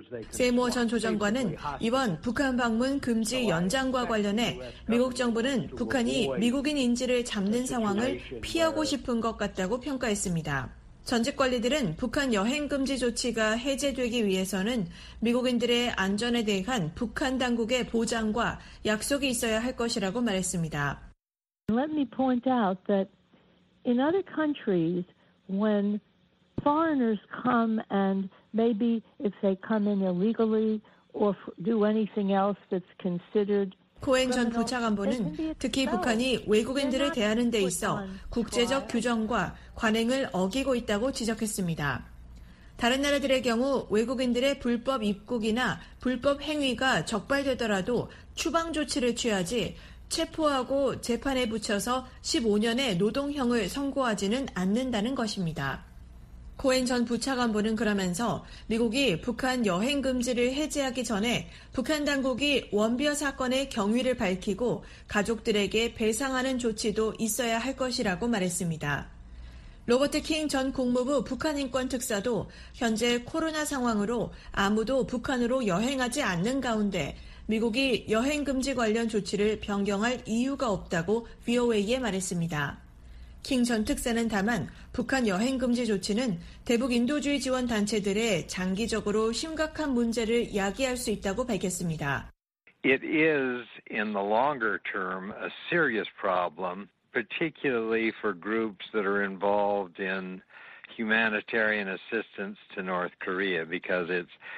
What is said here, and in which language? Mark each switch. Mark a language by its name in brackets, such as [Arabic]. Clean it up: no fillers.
[Korean] 세모 전 조정관은 이번 북한 방문 금지 연장과 관련해 미국 정부는 북한이 미국인 인질을 잡는 상황을 피하고 싶은 것 같다고 평가했습니다. 전직 관리들은 북한 여행 금지 조치가 해제되기 위해서는 미국인들의 안전에 대한 북한 당국의 보장과 약속이 있어야 할 것이라고 말했습니다. [English] Let me point out that in other countries, when foreigners come and maybe if they come in illegally or do anything else that's considered [Korean] 코엔 전 부차관보는 특히 북한이 외국인들을 대하는 데 있어 국제적 규정과 관행을 어기고 있다고 지적했습니다. 다른 나라들의 경우 외국인들의 불법 입국이나 불법 행위가 적발되더라도 추방 조치를 취하지 체포하고 재판에 붙여서 15년의 노동형을 선고하지는 않는다는 것입니다. 코엔 전 부차관보는 그러면서 미국이 북한 여행 금지를 해제하기 전에 북한 당국이 원비어 사건의 경위를 밝히고 가족들에게 배상하는 조치도 있어야 할 것이라고 말했습니다. 로버트 킹 전 국무부 북한인권특사도 현재 코로나 상황으로 아무도 북한으로 여행하지 않는 가운데 미국이 여행 금지 관련 조치를 변경할 이유가 없다고 VOA에 말했습니다. 킹 전 특사는 다만 북한 여행 금지 조치는 대북 인도주의 지원 단체들의 장기적으로 심각한 문제를 야기할 수 있다고 밝혔습니다. [English] It is in the longer term a serious problem, particularly for groups that are involved in humanitarian assistance to North Korea because it's